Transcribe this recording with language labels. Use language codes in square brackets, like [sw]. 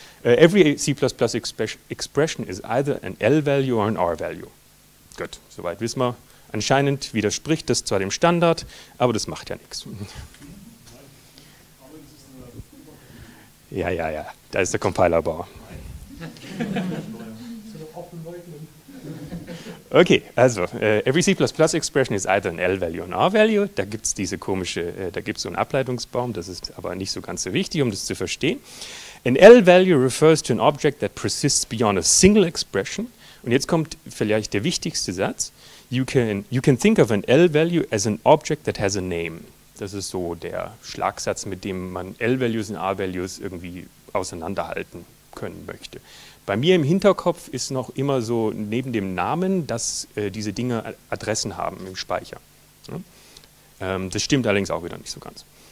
[en] Every C++ expression is either an L-Value or an R-Value. [de] Gut, soweit wissen wir. Anscheinend widerspricht das zwar dem Standard, aber das macht ja nichts. Ja, da ist der Compiler-Bauer. [en] Okay, also every C++ expression is either an L-Value or an R-Value. [de] Da gibt es diese komische, da gibt es so einen Ableitungsbaum, das ist aber nicht so ganz so wichtig, um das zu verstehen. [en] An L-Value refers to an object that persists beyond a single expression. [de] Und jetzt kommt vielleicht der wichtigste Satz. [en] You can think of an L-Value as an object that has a name. [de] Das ist so der Schlagsatz, mit dem man L-Values und R-Values irgendwie auseinanderhalten können möchte. Bei mir im Hinterkopf ist noch immer so neben dem Namen, dass diese Dinge Adressen haben im Speicher. Ja? Das stimmt allerdings auch wieder nicht so ganz.